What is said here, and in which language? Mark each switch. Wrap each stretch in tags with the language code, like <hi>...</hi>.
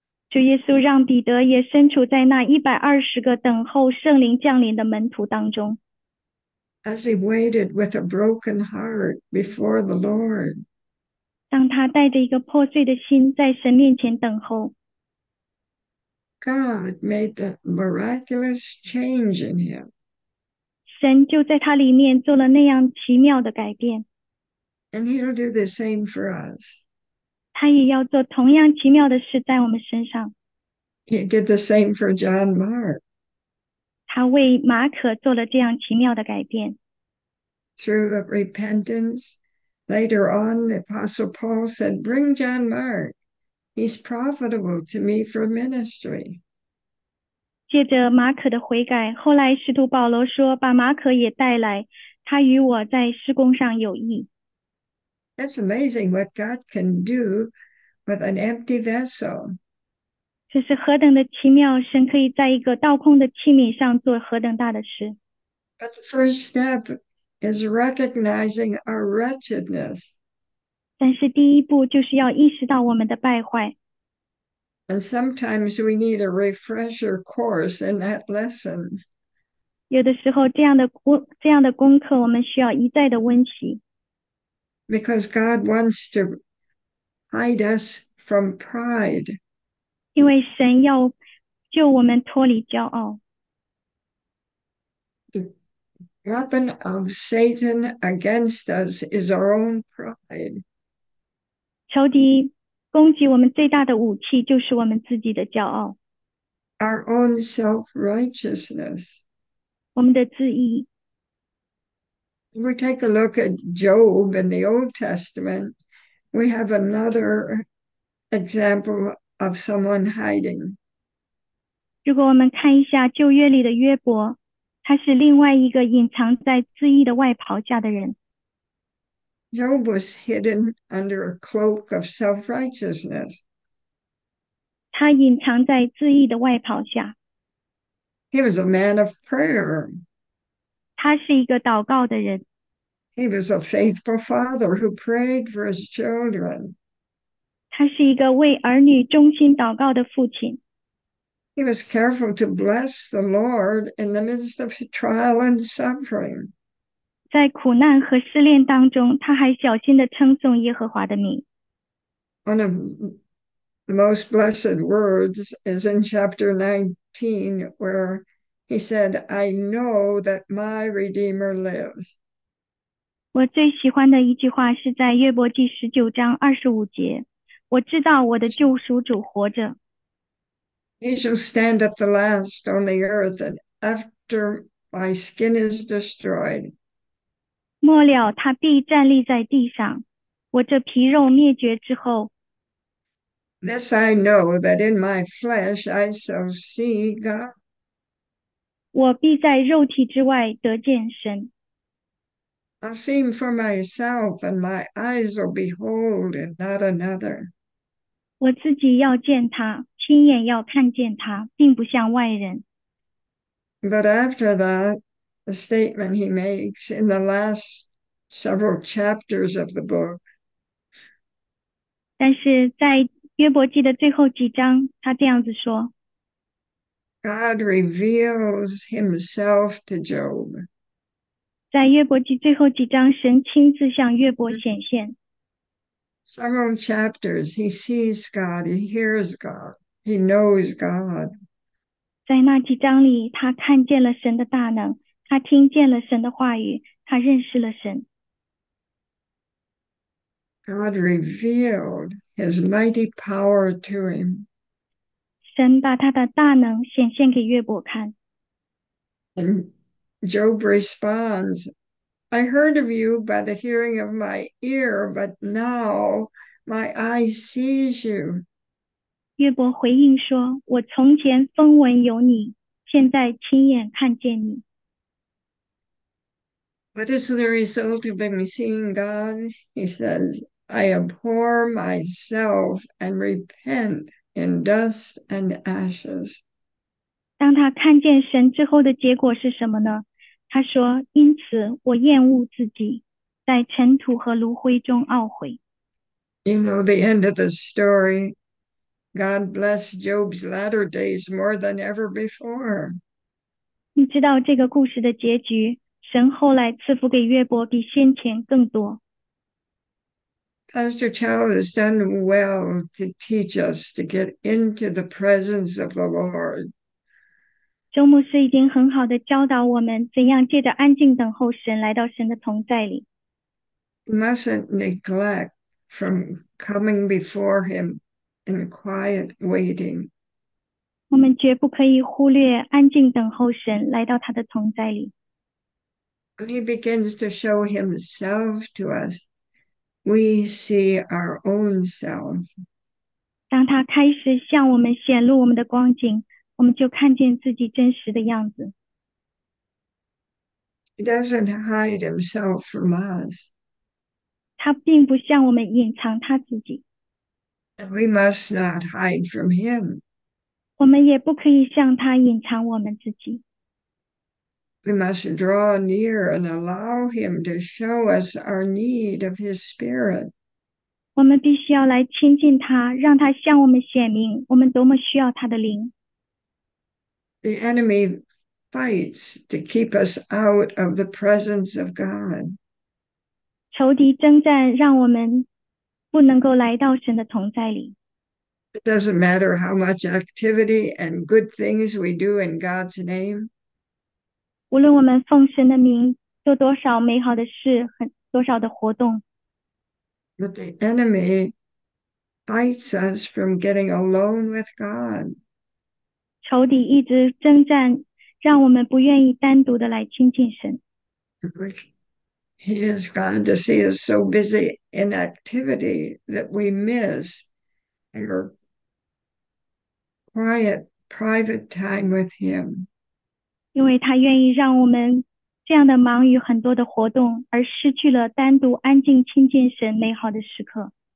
<zh>主耶稣让彼得也身处在那120个等候圣灵降临的门徒当中。</zh> <en>As he waited with a broken heart before the Lord,</en> <zh>当他带着一个破碎的心在神面前等候，</zh> <en>God made the miraculous change in him.</en> <zh>神就在他里面做了那样奇妙的改变。</zh> <en>And he'll do the same for us.</en> <zh>他也要做同样奇妙的事在我们身上。</zh> <en>He did the same for John Mark.</en> <zh>他为马可做了这样奇妙的改变。</zh> <en>Through repentance, later on, the Apostle Paul said, Bring John Mark. He's profitable to me for ministry.</en> <zh>借着马可的悔改，后来使徒保罗说：“把马可也带来，他与我在事工上有益。”</zh> <en>It's amazing what God can do with an empty vessel.</en> <zh>这是何等的奇妙！神可以在一个倒空的器皿上做何等大的事。</zh> <en>But the first step is recognizing our wretchedness.</en> <zh>但是第一步就是要意识到我们的败坏。</zh> <en>And sometimes we need a refresher course in that lesson.</en> <zh>有的时候，这样的功课，我们需要一再的温习。</zh> <en>Because God wants to hide us from pride.</en> <zh>因为神要救我们脱离骄傲。</zh> <en>Weapon of Satan against us is our own pride.</en> <zh>仇敌攻击我们最大的武器就是我们自己的骄傲，</zh> <en>Our own self-righteousness.</en> <zh>我们的自义。</zh> <en>We take a look at Job in the Old Testament. We have another example of someone hiding.</en> <zh>如果我们看一下旧约里的约伯，他是另外一个隐藏在自义的外袍下的人。</zh> <en>Job was hidden under a cloak of self-righteousness.</en> <zh>他隐藏在自义的外袍下。</zh> <en>He was a man of prayer.</en> <zh>他是一个祷告的人。</zh> <en>He was a faithful father who prayed for his children.</en> <zh>他是一个为儿女忠心祷告的父亲。</zh> <en>He was careful to bless the Lord in the midst of trial and suffering.</en> <zh>在苦难和试炼当中，他还小心地称颂耶和华的名。</zh> <en>One of the most blessed words is in chapter 19, where he said, I know that my Redeemer lives.</en> <zh>我最喜欢的一句话是在约伯记19章25节，我知道我的救赎主活着。</zh> <en>He shall stand at the last on the earth, and after My skin is destroyed.</en> <zh>末了，他必站立在地上。我这皮肉灭绝之后，</zh> <en>This I know that in my flesh I shall see God.</en> <zh>我必在肉体之外得见神。</zh> <en>I'll see him for myself, and my eyes will behold and not another.</en> <zh>我自己要见他，亲眼要看见他，并不像外人。</zh> <en>But after that, the statement he makes in the last several chapters of the book.</en> <zh>但是在约伯记的最后几章，他这样子说：“</zh> <en>God reveals himself to Job.</en> <zh>在约伯记最后几章，神亲自向约伯显现。</zh> <en>Several chapters, he sees God, he hears God, he knows God.</en> <zh>在那几章里，他看见了神的大能，他听见了神的话语，他认识了神。”</zh> <en>God revealed his mighty power to him.</en> <zh>神把他的大能显现给约伯看。</zh> <en>And Job responds, I heard of you by the hearing of my ear, but now my eye sees you.</en> <zh>约伯回应说：“我从前风闻有你，现在亲眼看见你。</zh> <en>What is the result of him seeing God? He says, I abhor myself and repent in dust and ashes.</en> <zh>当他看见神之后的结果是什么呢？他说：“因此我厌恶自己，在尘土和炉灰中懊悔。</zh> <en>You know the end of the story. God blessed Job's latter days more than ever before.</en> <zh>”你知道这个故事的结局，神后来赐福给约伯比先前更多。</zh> <en>Pastor Chow has done well to teach us to get into the presence of the Lord.</en> <zh>周牧师已经很好的教导我们怎样借着安静等候神来到神的同在里。</zh> <en>You mustn't neglect from coming before him in quiet waiting.</en> <zh>我们绝不可以忽略安静等候神来到他的同在里。</zh> <en>When he begins to show himself to us, we see our own self.</en> <zh>当他开始向我们显露我们的光景。我们就看见自己真实的样子。</zh> <en>He doesn't hide himself from us.</en> <zh>他并不向我们隐藏他自己。</zh> <en>And we must not hide from him.</en> <zh>我们也不可以向他隐藏我们自己。</zh> <en>We must draw near and allow him to show us our need of his spirit.</en> <zh>我们必须要来亲近他，让他向我们显明我们多么需要他的灵。</zh> <en>The enemy fights to keep us out of the presence of God.</en> <zh>仇敌征战，让我们不能够来到神的同在里。</zh> <en>It doesn't matter how much activity and good things we do in God's name.</en> <zh>无论我们奉神的名做多少美好的事，很多少的活动，</zh> <en>But the enemy fights us from getting alone with God.</en> <zh>仇敌一直征战，让我们不愿意单独的来亲近神。</zh> <en>He has gone to see us so busy in activity that we miss our quiet, private time with him.</en> <zh>因为他愿意让我们这样的忙于很多的活动，而失去了单独安静亲近神美好的时刻。</zh>